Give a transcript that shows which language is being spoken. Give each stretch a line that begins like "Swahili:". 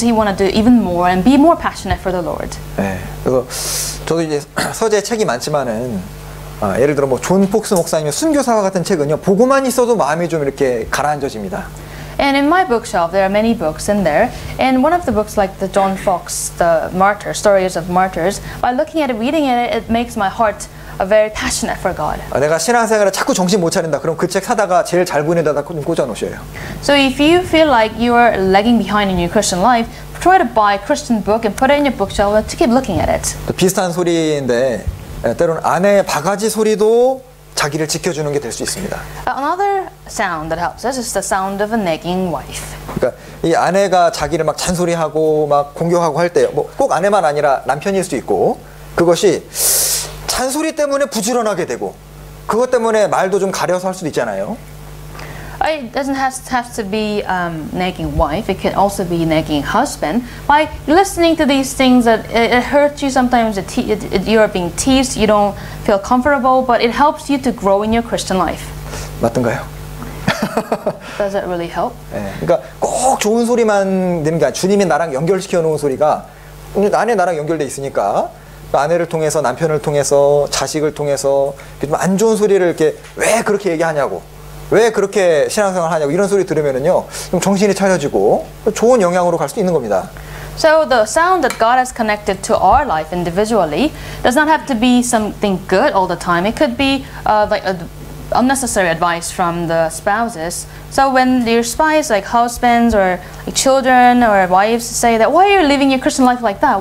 English: He want to do even more and be more passionate for the Lord.
Korean: 네, 그래서 저도 이제 서재 책이 많지만은 예를 들어 뭐 존 폭스 목사님의 순교사와 같은 책은요, 보고만 있어도 마음이 좀 이렇게 가라앉아집니다.
English: And in my bookshelf, there are many books in there. And one of the books, like the John Fox, the Martyr, Stories of Martyrs, by looking at it, reading it, it makes my heart a very passionate for God.
Korean: 내가 신앙생활을 자꾸 정신 못 차린다, 그럼 그 책 사다가 제일 잘 보이는 데다 좀 꽂아놓으셔요.
English: So if you feel like you are lagging behind in your Christian life, try to buy a Christian book and put it in your bookshelf to keep looking at it.
Korean: 비슷한 소리인데, 때로는 아내의 바가지 소리도 자기를 지켜주는 게 될 수 있습니다.
English: Another sound that helps us is the sound of a nagging wife.
Korean: 그러니까 이 아내가 자기를 막 잔소리하고 막 공격하고 할 때, 뭐 꼭 아내만 아니라 남편일 수도 있고, 그것이 잔소리 때문에 부지런하게 되고, 그것 때문에 말도 좀 가려서 할 수도 있잖아요.
English: It doesn't have to be nagging wife. It can also be nagging husband. By listening to these things, that it hurts you sometimes. You are being teased. You don't feel comfortable. But it helps you to grow in your Christian life.
Korean: 맞던가요?
English: Does that really help?
Korean: 네. 그러니까 꼭 좋은 소리만 내는 게 아니라 주님이 나랑 연결시켜 놓은 소리가 아내 나랑 연결돼 있으니까 아내를 통해서 남편을 통해서 자식을 통해서 좀 안 좋은 소리를 이렇게 왜 그렇게 얘기하냐고. 왜 그렇게 신앙생활 하냐고 이런 소리 들으면은요 좀 정신이 차려지고 좋은 영향으로 갈 수 있는 겁니다.
English: So the sound that God has connected to our life individually does not have to be something good all the time. It could be like a unnecessary advice from the spouses. So when your spouse, like husbands or like children or wives, say that, why are you living your Christian life like that?